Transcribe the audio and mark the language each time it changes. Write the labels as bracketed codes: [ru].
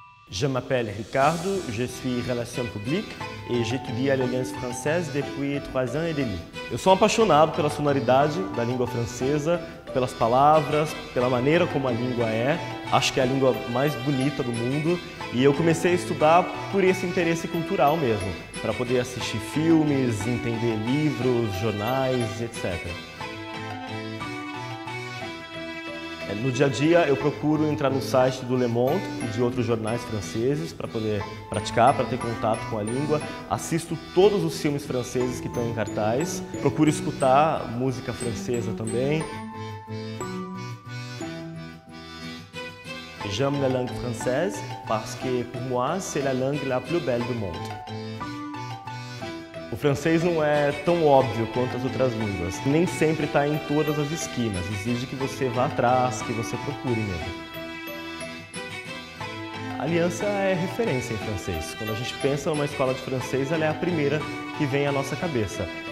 [fr] Je m'appelle Ricardo, je suis relations publiques et j'étudie à l'Alliance française depuis 3 ans et demi. [pt] Eu sou apaixonado pela sonoridade da língua francesa, pelas palavras, pela maneira como a língua é. Acho que é a língua mais bonita do mundo e eu comecei a estudar por esse interesse cultural mesmo, para poder assistir filmes, entender livros, jornais, etc. No dia a dia, eu procuro entrar no site do Le Monde e de outros jornais franceses para poder praticar, para ter contato com a língua. Assisto todos os filmes franceses que estão em cartaz. Procuro escutar música francesa também. [fr] J'aime la langue française parce que, pour moi, c'est la langue la plus belle du monde. [pt] O francês não é tão óbvio quanto as outras línguas. Nem sempre está em todas as esquinas. Exige que você vá atrás, que você procure mesmo. A Aliança é referência em francês. Quando a gente pensa numa escola de francês, ela é a primeira que vem à nossa cabeça.